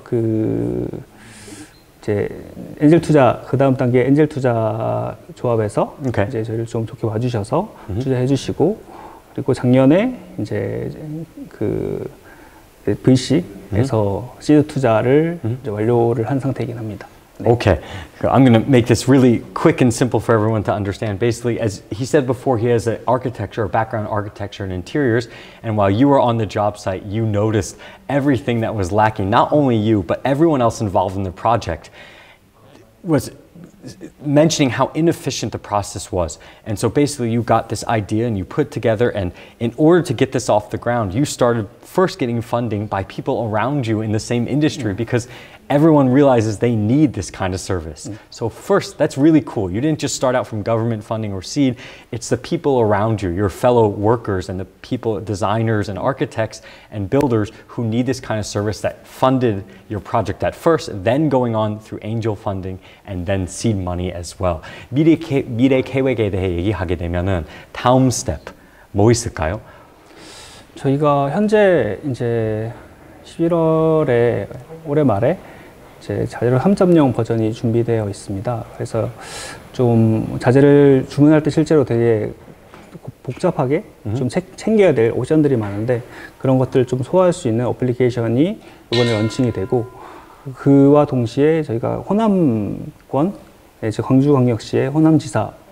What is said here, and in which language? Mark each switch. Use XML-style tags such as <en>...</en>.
<ko>그 이제 엔젤 투자 그 다음 단계 엔젤 투자 조합에서</ko> <en>okay.</en> <ko>이제 저희를 좀 좋게 봐주셔서 투자해 주시고 그리고 작년에 이제 그 VC에서 시드 투자를 이제 완료를 한 상태이긴 합니다. 네.</ko> <en>Okay, I'm going to make this really quick and simple for everyone to understand. Basically, as he said before, he has an architecture, a background architecture and interiors. And while you were on the job site, you noticed everything that was lacking. Not only you, but everyone else involved in the project was mentioning how inefficient the process was. And so basically you got this idea and you put it together. And in order to get this off the ground, you started first getting funding by people around you in the same industry because everyone realizes they need this kind of service. So first, that's really cool. You didn't just start out from government funding or seed. It's the people around you, your fellow workers and the people, designers and architects and builders who need this kind of service that funded your project at first, then going on through angel funding and then seed money as well.</en> <ko>미래 계획에 대해 얘기하게 되면은 다음 step 뭐 있을까요? 저희가 현재 이제 11월에 올해 말에 이제 자재를 3.0 버전이 준비되어 있습니다. 그래서 좀 자재를 주문할 때 실제로 되게 복잡하게 좀 챙겨야 될 옵션들이 많은데 그런 것들을 좀 소화할 수 있는 어플리케이션이 이번에 런칭이 되고 그와 동시에 저희가 호남권, 이제 광주광역시의 호남지사</ko>